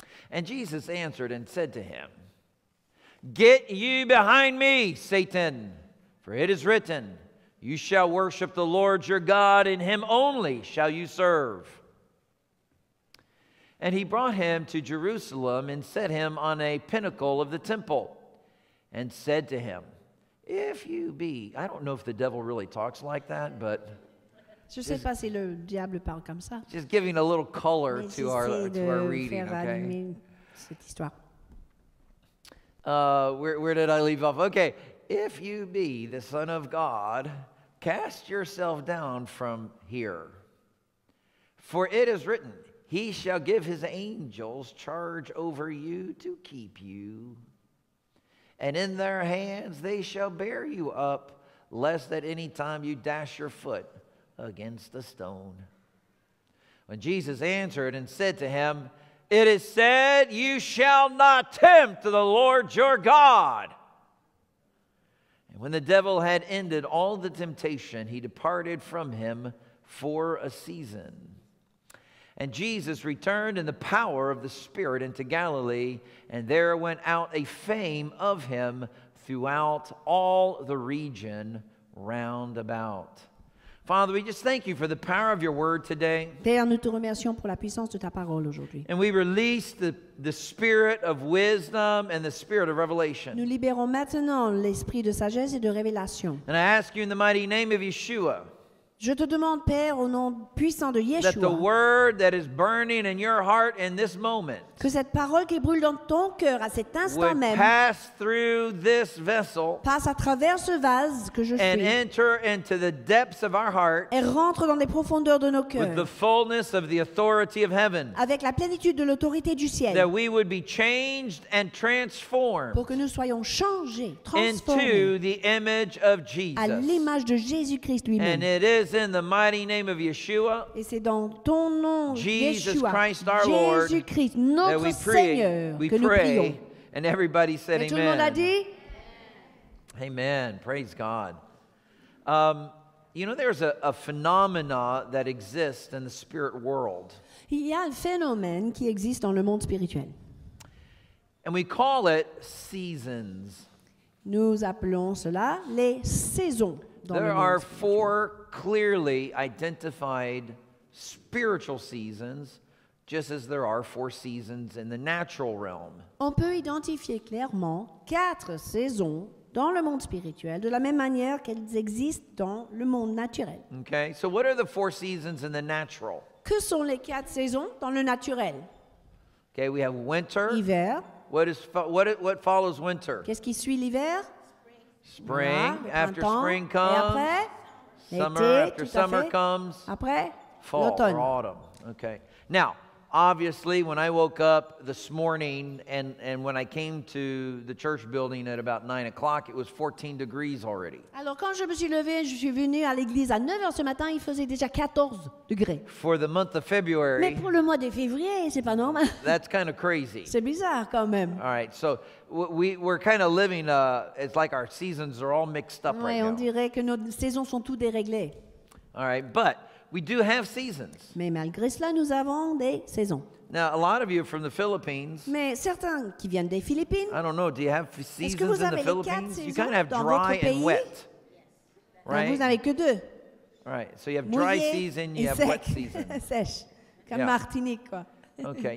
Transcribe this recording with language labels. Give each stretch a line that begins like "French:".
English: And Jesus answered and said to him, "Get you behind me, Satan, for it is written, 'You shall worship the Lord your God, and him only shall you serve.'" And he brought him to Jerusalem and set him on a pinnacle of the temple and said to him, "If you be..." I don't know if the devil really talks like that, but...
French: Je ne sais pas si le diable parle comme ça.
English: Just giving a little color to our reading, okay?
French: Cette histoire.
English: Where did I leave off? Okay. "If you be the Son of God, cast yourself down from here. For it is written, 'He shall give his angels charge over you to keep you. And in their hands they shall bear you up, lest at any time you dash your foot against a stone.' When Jesus answered and said to him, 'It is said, you shall not tempt the Lord your God.' And when the devil had ended all the temptation, he departed from him for a season. And Jesus returned in the power of the Spirit into Galilee, and there went out a fame of him throughout all the region round about." Father, we just thank you for the power of your word today.
French: Père, nous te remercions pour la puissance de ta parole aujourd'hui.
English: And we release the spirit of wisdom and the spirit of revelation.
French: Nous libérons maintenant l'esprit de sagesse et de révélation.
English: And I ask you in the mighty name of Yeshua.
French: Je te demande, Père, au nom puissant de Yeshua.
English: That the word that is burning in your heart in this moment.
French: Que cette parole qui brûle dans ton cœur à cet instant même.
English: Pass through this vessel.
French: Passe à travers ce vase que je suis.
English: And enter into the depths of our heart.
French: Et rentre dans les profondeurs de nos cœurs.
English: With the fullness of the authority of heaven.
French: Avec la plénitude de l'autorité du ciel.
English: That we would be changed and transformed.
French: Pour que nous soyons changés, transformés.
English: Into the image of Jesus.
French: À l'image de Jésus-Christ lui-même.
English: And it is in the mighty name of Yeshua.
French: Et c'est dans ton nom,
English: Jesus Yeshua, Christ our Lord.
French: Jésus-Christ, notre Seigneur, que nous prions.
English: And everybody said
French: Et
English: amen.
French: Tout le monde a dit?
English: Amen. Praise God. You know, there's a phenomena that exists in the spirit world.
French: Il y a un phénomène qui existe dans le monde spirituel.
English: And we call it seasons.
French: Nous appelons cela les saisons.
English: There are four clearly identified spiritual seasons, just as there are four seasons in the natural realm.
French: On peut identifier clairement quatre saisons dans le monde spirituel de la même manière qu'elles existent dans le monde naturel.
English: Okay, so what are the four seasons in the natural?
French: Que sont les quatre saisons dans le naturel?
English: Okay, we have winter.
French: Hiver.
English: What follows winter?
French: Qu'est-ce qui suit l'hiver?
English: Spring, yeah, after spring comes,
French: et après,
English: summer,
French: été,
English: after summer comes,
French: après,
English: fall
French: l'automne.
English: Or autumn. Okay. Now, obviously, when I woke up this morning and when I came to the church building at about 9 o'clock, it was 14 degrees already.
French: Alors, quand je me suis levé, je suis venu à l'église à 9 heures ce matin, il faisait déjà 14 degrés.
English: For the month of February.
French: Mais pour le mois de février, c'est pas normal.
English: That's kind of crazy.
French: C'est bizarre quand même.
English: All right, so we're kind of living, it's like our seasons are all mixed up right now.
French: On dirait que nos saisons sont toutes déréglées.
English: All right, but we do have seasons.
French: Mais malgré cela, nous avons des saisons.
English: Now, a lot of you from the Philippines.
French: Mais certains qui viennent des Philippines.
English: I don't know. Do you have seasons in the Philippines? You kind of have dry and wet, right?
French: Vous n'avez que deux.
English: Right. So you have dry season. You have wet season.
French: Sèche, comme yeah. Martinique, quoi.
English: Okay.